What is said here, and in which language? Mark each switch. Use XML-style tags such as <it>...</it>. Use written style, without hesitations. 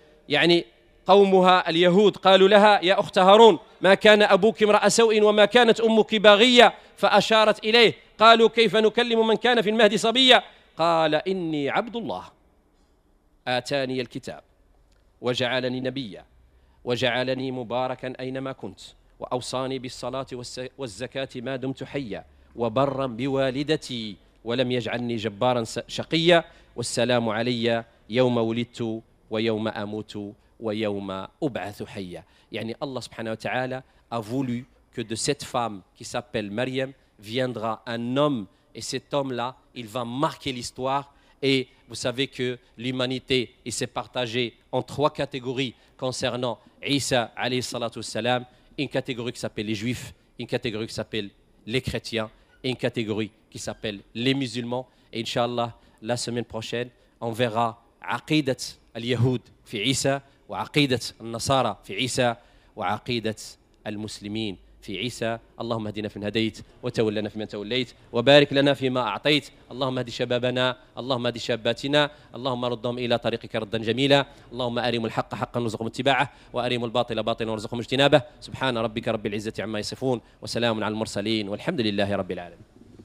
<ar>يعني قومها اليهود قالوا لها يا أخت هارون ما كان أبوك امرأ سوء وما كانت أمك باغية، فأشارت إليه، قالوا كيف نكلم من كان في المهد صبية، قال إني عبد الله آتاني الكتاب وجعلني نبيا وجعلني مباركا أينما كنت وأوصاني بالصلاة والزكاة ما دمت حيا وبرا بوالدتي ولم يجعلني جبارا شقيا والسلام علي يوم ولدت ويوم أموت ويوم أبعث حيا. يعني الله سبحانه وتعالى</ar> <fr>a voulu que de cette femme qui s'appelle Maryam viendra un homme, et cet homme-là, il va marquer l'histoire. Et vous savez que l'humanité il s'est partagée en trois catégories concernant Isa alayhi salatu wassalam, une catégorie qui s'appelle les juifs, une catégorie qui s'appelle les chrétiens et une catégorie qui s'appelle les musulmans. Et inshallah la semaine prochaine on verra</fr> <ar>aqidat al-yahoud fi Isa wa aqidat al-nasara fi Isa wa aqidat المسلمين في عيسى. اللهم اهدنا فيمن هديت وتولنا فيمن توليت وبارك لنا فيما أعطيت. اللهم اهد شبابنا، اللهم اهد شاباتنا، اللهم ردهم إلى طريقك ردا جميلا. اللهم أرم الحق حقا وارزقهم اتباعه، وأرم الباطل باطلا وارزقهم اجتنابه. سبحان ربك رب العزة عما يصفون، وسلام على المرسلين، والحمد لله رب العالمين.</ar>